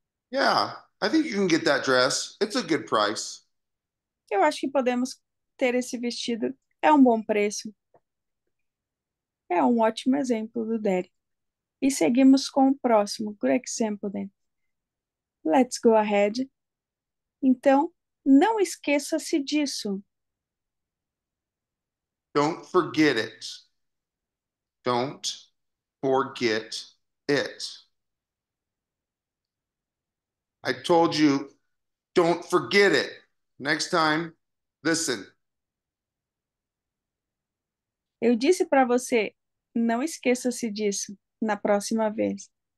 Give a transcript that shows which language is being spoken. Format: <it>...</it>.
<en>Yeah, I think you can get that dress. It's a good price.</en> <pt>Eu acho que podemos ter esse vestido. É um bom preço. É um ótimo exemplo do Derek. E seguimos com o próximo.</pt> <en>Good example, then. Let's go ahead.</en> <pt>Então, não esqueça-se disso.</pt> <en>Don't forget it. Don't forget it. I told you, don't forget it. Next time, listen.</en> <pt>Eu disse para você, não esqueça-se disso na próxima vez.</pt>